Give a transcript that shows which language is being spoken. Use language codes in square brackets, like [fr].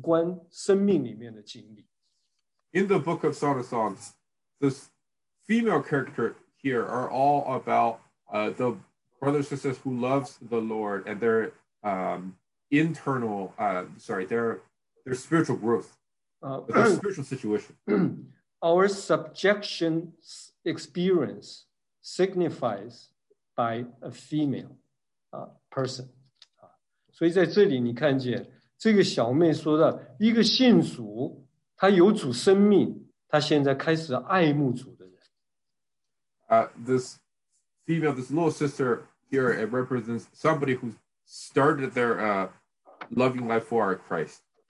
[zh] 我们要讲到，在雅各书里面，这个女性都讲到每一个属主的人主观生命里面的经历。In [en] the book of Song of Songs, this female character here are all about the brothers and sisters who loves the Lord and their internal, their spiritual growth, their spiritual situation. Our subjection experience signifies by a female person. [zh] 所以在这里你看见这个小妹说到一个信主，她有主生命，她现在开始爱慕主的人。 [en] This female, this little sister here, it represents somebody who started their loving life for our Christ.